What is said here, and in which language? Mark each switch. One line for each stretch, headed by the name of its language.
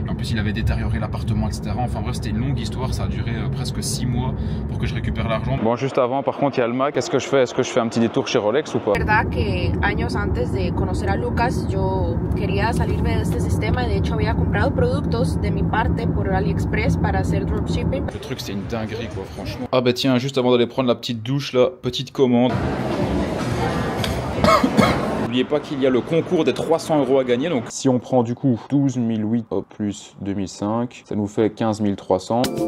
French: En plus, il avait détérioré l'appartement, etc. Enfin bref, c'était une longue histoire. Ça a duré presque 6 mois pour que je récupère l'argent. Bon, juste avant, par contre, il y a le Mac. Qu'est-ce que je fais? Est-ce que je fais un petit détour chez Rolex ou pas? C'est vrai que,
Spanish: años antes de conocer a Lucas, yo quería salirme de este sistema. De hecho, había comprado productos de mi parte por AliExpress para hacer dropshipping.
French: Le truc, c'est une dinguerie, quoi, franchement. Ah, bah tiens, juste avant d'aller prendre la petite douche là, petite commande. N'oubliez pas qu'il y a le concours des 300 euros à gagner, donc si on prend du coup 12 008 plus 2005, ça nous fait 15 300.